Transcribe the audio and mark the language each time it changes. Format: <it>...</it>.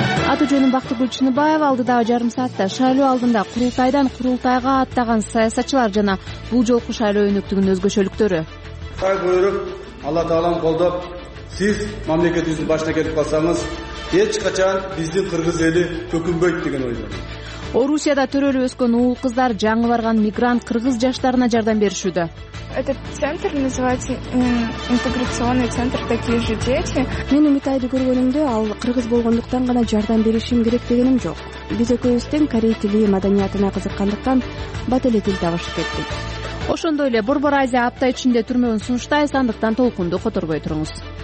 <ky>Аты жөнүм Бакты Гүлчинбаева, алдыдагы жарым саатта шайлоо алдында курултайдан курултайга аттаган саясатчылар жана бул жолку шайлоо өнөктүгүнүн өзгөчөлүктөрү. Ай буйрук, Алла Тааланын колдоп, сиз мамлекетибиздин башына келип калсаңыз, эч качан биздин кыргыз эли көкүнбөйт деген ойдо. Орусияда төрөлүп өскөн уул кыздар жаңы барган мигрант кыргыз жаштарына жардам беришүүдө.</ky> <ru>Этот центр называется интеграционный центр таких же детей.</ru> <ky>Мен Үмүтайды көргөнүмдө ал кыргыз болгондуктан гана жардам беришим керек дегеним жок. Биз экөөбүздүн корей тили маданиятына кызыккандыктан бат эле тил табышып кеттик. Ошондой эле Борбор Азия апта ичинде түрмөнүн сунуштайбыз, андыктан толкунду которбой туруңуз.</ky>